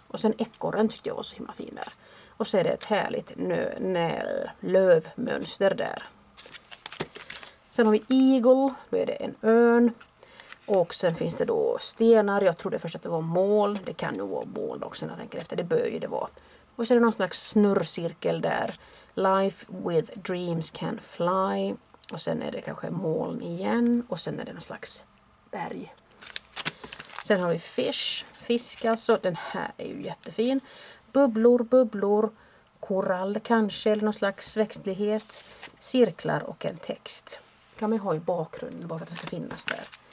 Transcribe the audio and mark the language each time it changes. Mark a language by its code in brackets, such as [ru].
[sv] Och sen ekorren tyckte jag var så himla fin där. Och så är det ett härligt lövmönster där. Sen har vi eagle, då är det en örn. Och sen finns det då stenar, jag trodde först att det var mål. Det kan nog vara mål också när jag tänker efter, det bör ju det vara. Och sen är det någon slags snurrcirkel där. [en] Life with dreams can fly. [sv] Och sen är det kanske moln igen. Och sen är det någon slags berg. Sen har vi fish, fisk alltså. Den här är ju jättefin. Bubblor, bubblor. Korall kanske, eller någon slags växtlighet. Cirklar och en text. Kan man ha i bakgrunden bara för att det ska finnas där.